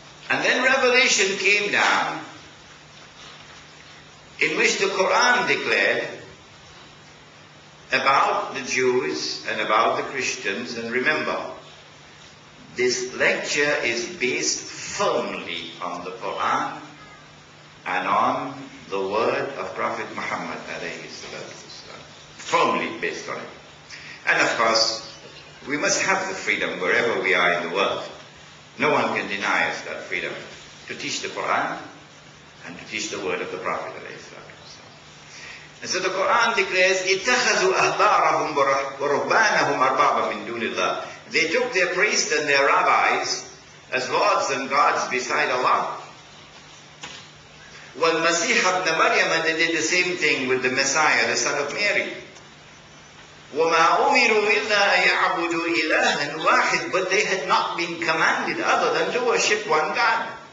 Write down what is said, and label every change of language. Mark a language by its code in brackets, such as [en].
[en] And then revelation came down in which the Quran declared about the Jews and about the Christians, and remember, this lecture is based firmly on the Quran and on the word of Prophet Muhammad alayhi salam. Firmly based on it. And of course, we must have the freedom wherever we are in the world. No one can deny us that freedom to teach the Quran and to teach the word of the Prophet. [ar] And so the Quran declares, اتخذوا أهبارهم ورهبانهم أربابا من دون الله. [en] They took their priests and their rabbis as lords and gods beside Allah. والمسيح ابن مريم, and they did the same thing with the Messiah, the son of Mary. وما أمروا إلا يعبدوا إلها واحد, but they had not been commanded other than to worship one God.